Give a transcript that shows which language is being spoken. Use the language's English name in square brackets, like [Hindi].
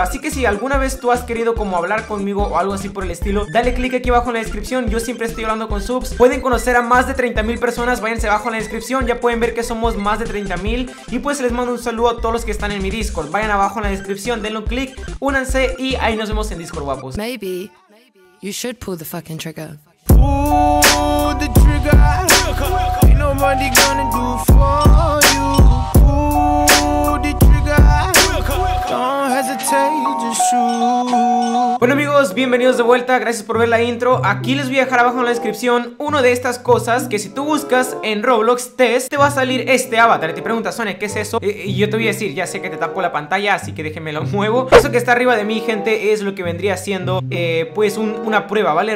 [Spanish] Así que si alguna vez tú has querido como hablar conmigo o algo así por el estilo, dale clic aquí abajo en la descripción. Yo siempre estoy hablando con subs. Pueden conocer a más de 30,000 personas. Váyanse abajo en la descripción, ya pueden ver que somos más de 30,000. Y pues les mando un saludo a todos los que están en mi Discord. Vayan abajo en la descripción, denle un clic, únanse y ahí nos vemos en Discord, guapos. [English] Maybe you should pull the fucking trigger. Pull the trigger. Ain't nobody gonna do for you. Pull the trigger. Don't hesitate, just shoot. [Spanish] Bueno, amigos, bienvenidos de vuelta, gracias por ver la intro. Aquí les voy a dejar abajo en la descripción uno de estas cosas que si tú buscas en Roblox Test, te va a salir este avatar. Y te preguntas, Sonic, ¿qué es eso? Y yo te voy a decir, ya sé que te tapo la pantalla, así que déjeme lo muevo. Eso que está arriba de mí, gente, es lo que vendría siendo, pues, una prueba, ¿vale?